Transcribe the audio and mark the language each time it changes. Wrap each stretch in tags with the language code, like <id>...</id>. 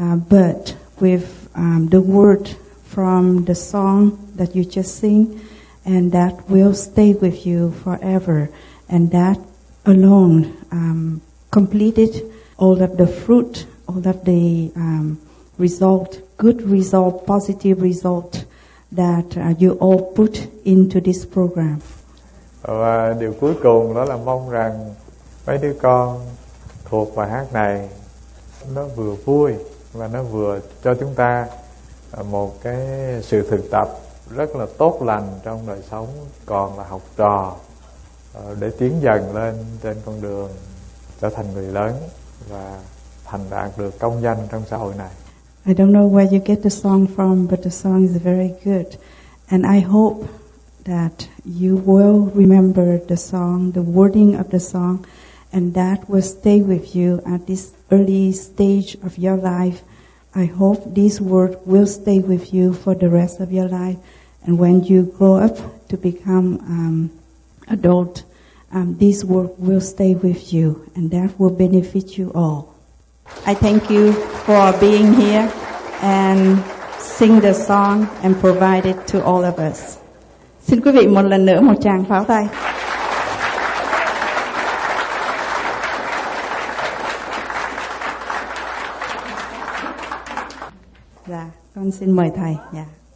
<en>But with the word from the song that you just sing, and that will stay with you forever, and that alone completed all of the fruit, all of the result, good result, positive result that you all put into this program.</en> <vi>Và điều cuối cùng đó là mong rằng mấy đứa con thuộc bài hát này nó vừa vui và nó vừa cho chúng ta một cái sự thực tập rất là tốt lành trong đời sống còn là học trò, để tiến dần lên trên con đường trở thành người lớn và thành đạt được công danh trong xã hội này.</vi> <en>I don't know where you get the song from, but the song is very good, and I hope that you will remember the song, the wording of the song, and that will stay with you at this early stage of your life. I hope this word will stay with you for the rest of your life, and when you grow up to become adult, this word will stay with you, and that will benefit you all. I thank you for being here and sing the song and provide it to all of us.</en> <vi>Xin quý vị một lần nữa một tràng pháo tay. Dạ, con xin mời thầy. Dạ.</vi>